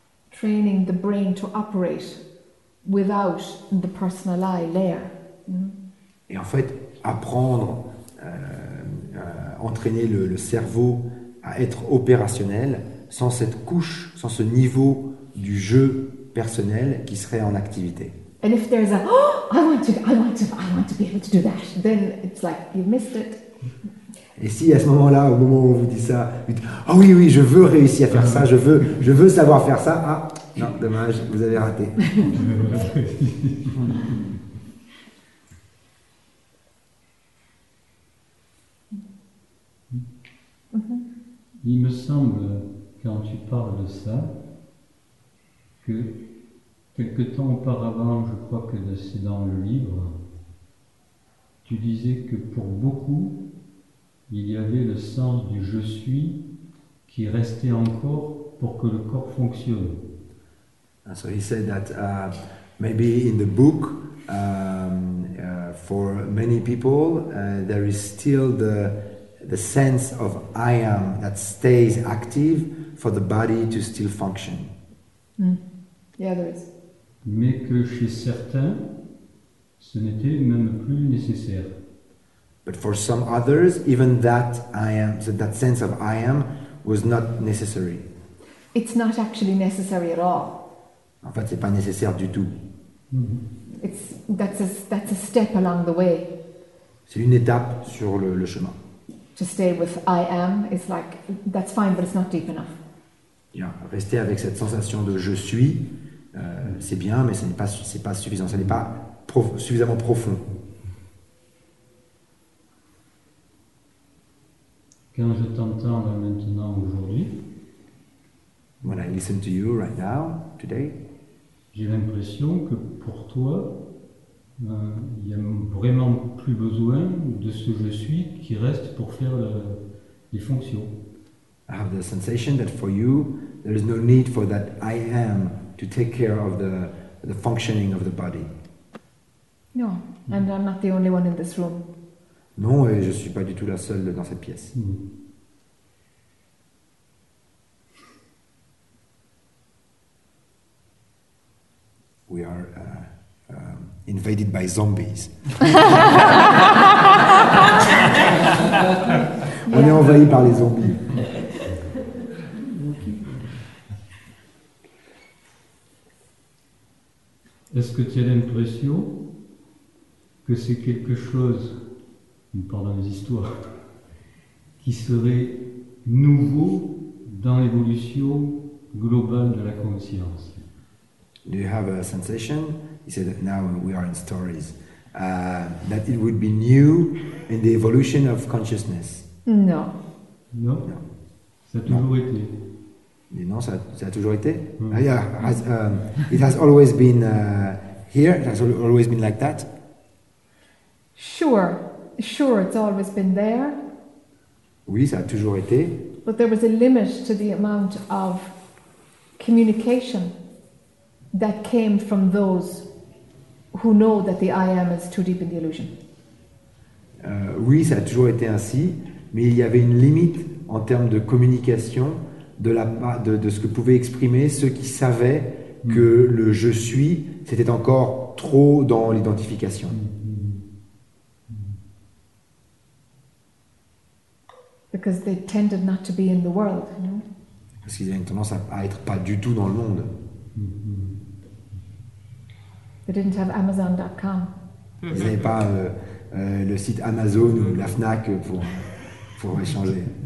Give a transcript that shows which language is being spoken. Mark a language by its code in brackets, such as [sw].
[en] Training the brain to operate without the personal eye layer. [fr] Et en fait, entraîner le cerveau à être opérationnel sans cette couche, sans ce niveau du jeu personnel qui serait en activité. [en] And if there's a oh, I want to be able to do that, then it's like you missed it. [fr] Et si à ce moment-là, au moment où on vous dit ça, vous dites ah oh, oui, je veux réussir à faire ça, je veux savoir faire ça, ah non, dommage, vous avez raté. Il me semble, quand tu parles de ça, que quelque temps auparavant, je crois que c'est dans le livre, tu disais que pour beaucoup, il y avait le sens du « je suis » qui restait encore pour que le corps fonctionne. [en] And so he said that maybe in the book, for many people, there is still the sense of I am that stays active for the body to still function. Yeah, there is. [fr] Mais que chez certains, ce n'était même plus nécessaire. [en] But for some others, even that I am, so that sense of I am, was not necessary. It's not actually necessary at all. [fr] En fait, c'est pas nécessaire du tout. [en] Mm-hmm. That's a step along the way. [fr] C'est une étape sur le chemin. [en] To stay with I am, it's like, that's fine, but it's not deep enough. [fr] Yeah, rester avec cette sensation de je suis, c'est bien, mais ce n'est pas suffisant, ce n'est pas suffisamment profond. Quand je t'entends là maintenant aujourd'hui, [en] when I listen to you right now, today, [fr] j'ai l'impression que pour toi, il y a vraiment plus besoin de ce je suis qui reste pour faire les fonctions. [en] I have the sensation that for you there is no need for that I am to take care of the functioning of the body. No, and I'm not the only one in this room. [fr] Non, et je suis pas du tout la seule dans cette pièce. [en] We are invaded by zombies. [fr] On est envahi par les zombies. Est-ce que tu as l'impression que c'est quelque chose, en parlant des histoires, qui serait nouveau dans l'évolution globale de la conscience? [en] Do you have a sensation? He said that now we are in stories. that it would be new in the evolution of consciousness. No. No. No. [fr] Ça a toujours été. Mais non, ça, ça a toujours été. Mm. [en] it has always been here. It has always been like that. Sure. Sure, it's always been there. [fr] Oui, ça a toujours été. [en] But there was a limit to the amount of communication that came from those who know that the I am is too deep in the illusion. [fr] Oui, ça a toujours été ainsi, mais il y avait une limite en termes de communication de ce que pouvaient exprimer ceux qui savaient que le je suis, c'était encore trop dans l'identification. [en] Because they tended not to be in the world, you know? [fr] Parce qu'ils avaient une tendance à être pas du tout dans le monde. [en] They didn't have Amazon.com. [fr] Ils n'avaient pas le site Amazon ou la Fnac pour échanger.